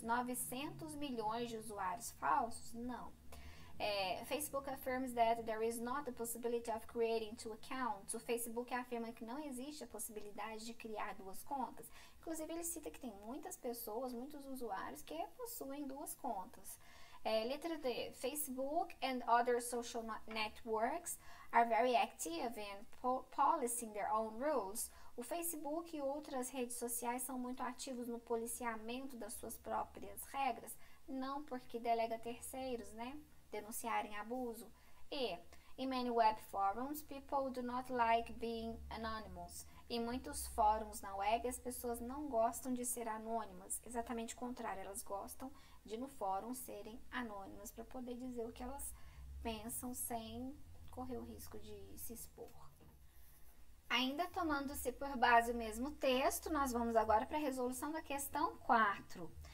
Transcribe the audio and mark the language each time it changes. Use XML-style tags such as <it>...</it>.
<pt>900 milhões de usuários falsos? Não.</pt> <en>Facebook affirms that there is not the possibility of creating two accounts.</en> <pt>O Facebook afirma que não existe a possibilidade de criar duas contas. Inclusive, ele cita que tem muitas pessoas, muitos usuários que possuem duas contas. Letra D.</pt> <en>Facebook and other social networks are very active in policing their own rules.</en> <pt>O Facebook e outras redes sociais são muito ativos no policiamento das suas próprias regras, não porque delega a terceiros, né? Denunciarem abuso.</pt> <en>E, in many web forums, people do not like being anonymous.</en> <pt>Em muitos fóruns na web, as pessoas não gostam de ser anônimas. Exatamente o contrário, elas gostam de, no fórum, serem anônimas para poder dizer o que elas pensam sem correr o risco de se expor. Ainda tomando-se por base o mesmo texto, nós vamos agora para a resolução da questão 4.</pt>